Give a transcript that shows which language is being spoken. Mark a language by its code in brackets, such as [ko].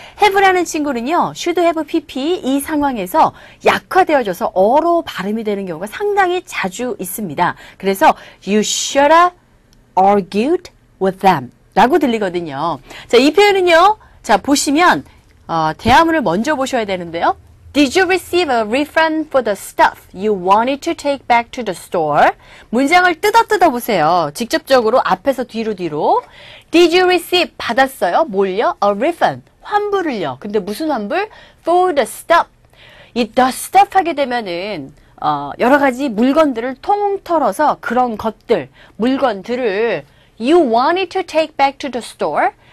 [ko] have라는 친구는요. should have pp 이 상황에서 약화되어져서 어로 발음이 되는 경우가 상당히 자주 있습니다. 그래서 [en] you should have argued with them [ko] 라고 들리거든요. 자, 이 표현은요. 자, 보시면 대화문을 먼저 보셔야 되는데요. [en] Did you receive a refund for the stuff you wanted to take back to the store? [ko] 문장을 뜯어 보세요. 직접적으로 앞에서 뒤로. [en] Did you receive [ko] 받았어요? 뭘요? [en] A refund. [ko] 환불을요. 근데 무슨 환불? [en] For the stuff. [ko] 이 the stuff 하게 되면은 여러 가지 물건들을 통틀어서 그런 것들, 물건들을 [en] you wanted to take back to the store.